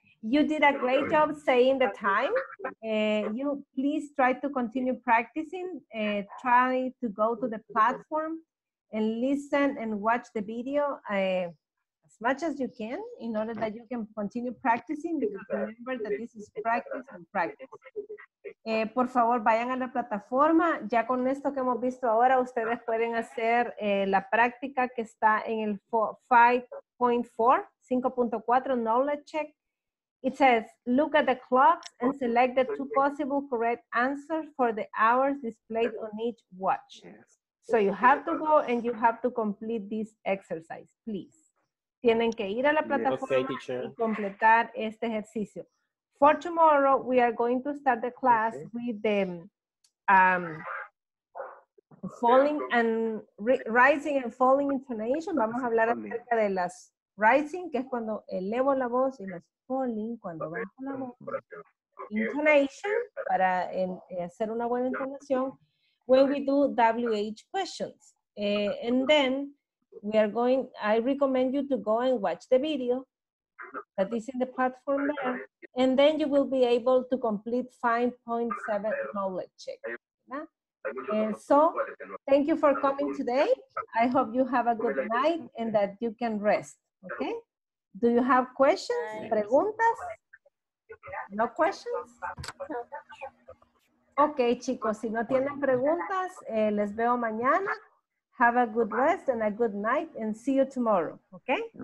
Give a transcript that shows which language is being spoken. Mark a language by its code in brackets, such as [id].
[en] You did a great job saying the time. You please try to continue practicing. Try to go to the platform and listen and watch the video. Much as you can, in order that you can continue practicing, because remember that this is practice and practice. [es] Por favor, vayan a la plataforma. Ya con esto que hemos visto ahora, ustedes pueden hacer la práctica que está en el 5.4, knowledge check. [en] It says, look at the clocks and select the 2 possible correct answers for the hours displayed on each watch. So you have to go and you have to complete this exercise, please. [es] Tienen que ir a la plataforma y completar este ejercicio. [en] For tomorrow, we are going to start the class with the falling and rising and falling intonation. [es] Vamos a hablar acerca de las rising, que es cuando elevo la voz, y los falling, cuando bajo la voz. Intonation, para hacer una buena entonación, [en] when we do WH questions. And then, we are going, I recommend you to go and watch the video that is in the platform there, and then you will be able to complete 5.7 knowledge check. Yeah? So, thank you for coming today. I hope you have a good night and that you can rest, okay? Do you have questions? [es] ¿Preguntas? [en] No questions? [es] Okay, chicos, si no tienen preguntas, les veo mañana. [en] Have a good rest and a good night, and see you tomorrow, okay?